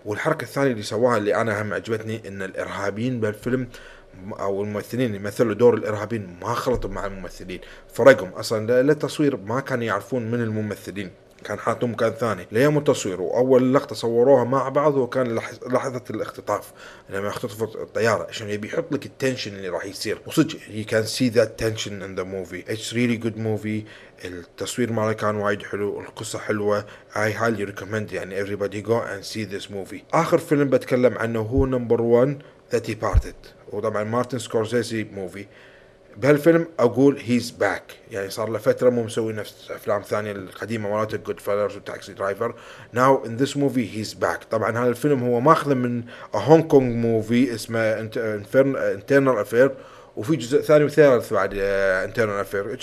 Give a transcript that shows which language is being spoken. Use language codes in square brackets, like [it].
[ar] والحركة الثانية اللي سواها اللي انا هم عجبتني ان الارهابيين بالفيلم او الممثلين اللي مثلوا دور الارهابيين ما خلطوا مع الممثلين، فرقهم اصلا للتصوير ما كانوا يعرفون من الممثلين، كان حاطهم مكان ثاني ليوم التصوير. واول لقطه صوروها مع بعض وكان لحظه الاختطاف لما اختطفوا الطياره، عشان يبي يحط لك التنشن اللي راح يصير. [en] وصدق you can see that tension in the movie. It's really good movie. [ar] التصوير ماله كان وايد حلو، القصه حلوه. [en] I highly recommend يعني everybody go and see this movie. [ar] اخر فيلم بتكلم عنه هو نمبر 1 The Departed، وطبعا مارتن سكورسيزي موفي. بهالفيلم اقول [en] he's back, [ar] يعني صار له فتره مو مسوي نفس افلام ثانيه القديمه مالت جود فيلرز وتاكسي درايفر. [en] Now in this movie he's back. [ar] طبعا هذا الفيلم هو ماخذ من هونغ كونغ موفي اسمه انترنال افير، وفي جزء ثاني وثالث بعد انترنال افير.